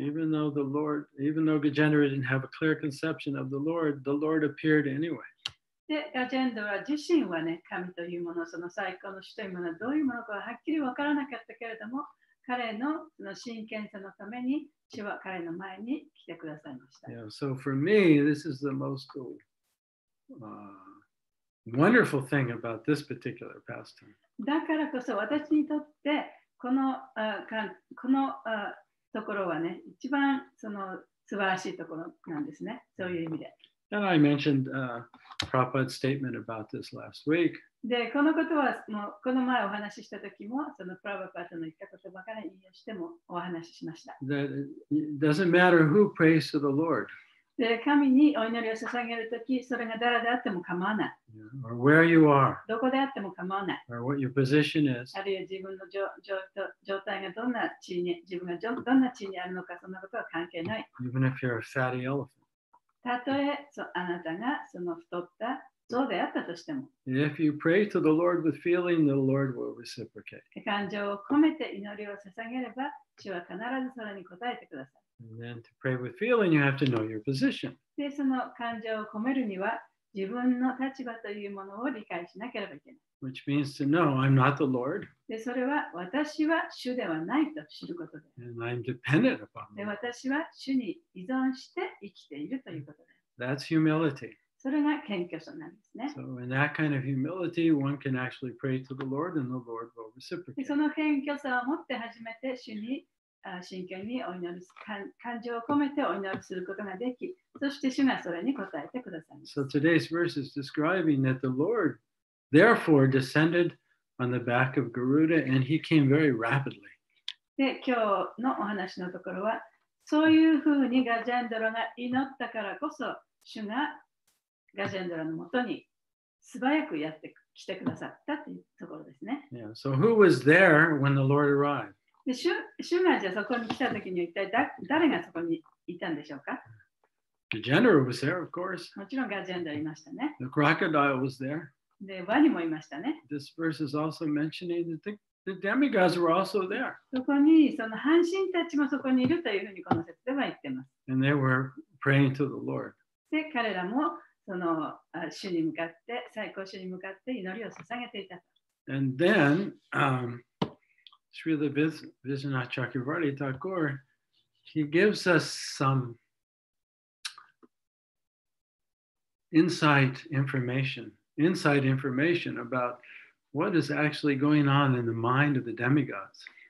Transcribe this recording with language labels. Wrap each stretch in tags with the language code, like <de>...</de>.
<en>Even though the Lord, even though Gajendra didn't have a clear conception of the Lord appeared anyway.</en> <ja>で、ガジェンドラ自身はね、神というもの、その最高の主というものはどういうものかははっきり分からなかったけれども、彼のその真剣さのために、主は彼の前に来てくださいました。</ja> <en>Yeah, so for me, this is the most wonderful thing about this particular pastime.</en> <ja>だからこそ私にとって、ところはね、一番その素晴らしいところなんですね、そういう意味で。</ja> <en>And I mentioned Prabhupada's statement about this last week.</en> <ja>で、このことはもうこの前お話ししたときも、そのプラヴァパートの言った言葉から引用してもお話ししました。</ja> <en>That it doesn't matter who prays to the Lord.</en> <ja>で、神にお祈りを捧げるとき、それが誰であっても構わない。</ja> <en>Yeah. Or where you are.</en> <ja>どこであっても構わない。</ja> <en>Or what your position is.</en> <ja>あるいは自分の状態がどんな地位に、自分がどんな地位にあるのか、そんなことは関係ない。</ja> <en>Even if you're a fatty elephant.</en> <ja>たとえあなたがその太った像であったとしても。</ja> <en>If you pray to the Lord with feeling, the Lord will reciprocate.</en> <ja>感情を込めて祈りを捧げれば、主は必ずそれに応えてください。</ja> <en>And then to pray with feeling, you have to know your position.</en> <ja>で、その感情を込めるには、自分の立場というものを理解しなければいけない。</ja> <en>Which means to know, I'm not the Lord.</en> <ja>で、それは私は主ではないと知ることです。</ja> <en>And I'm dependent upon him.</en> <ja>で、私は主に依存して生きているということです。</ja> <en>That's humility.</en> <ja>それが謙虚さなんですね。</ja> <en>So in that kind of humility, one can actually pray to the Lord and the Lord will reciprocate.</en> <ja>で、その謙虚さを持って初めて主に真剣にお祈り、感情を込めてお祈りすることができ、そして主がそれに応えてくださいます。</ja> <en>So today's verse is describing that the Lord therefore descended on the back of Garuda and he came very rapidly.</en> <ja>で、今日のお話のところは、そういうふうにガジェンドラが祈ったからこそ、主がガジェンドラのもとに素早くやってきてくださったというところですね。</ja> <en>Yeah, so who was there when the Lord arrived?</en> <ja>で、主がじゃあそこに来たときに一体誰がそこにいたんでしょうか？</ja> <en>The general was there, of course.</en> <ja>もちろんガジェンドラいましたね。</ja> <en>The crocodile was there.</en> <ja>で、ワニもいましたね。</ja> <en>This verse is also mentioning that the demigods were also there.</en> <ja>そこにその半神たちもそこにいるというふうにこの説では言ってます。</ja> <en>And they were praying to the Lord.</en> <ja>で、彼らもその主に向かって、最高主に向かって祈りを捧げていた。</ja> <en>And then, Srila Vishwanath Chakravarti Thakur, he gives us some inside information about what is actually going on in the mind of the demigods.</en>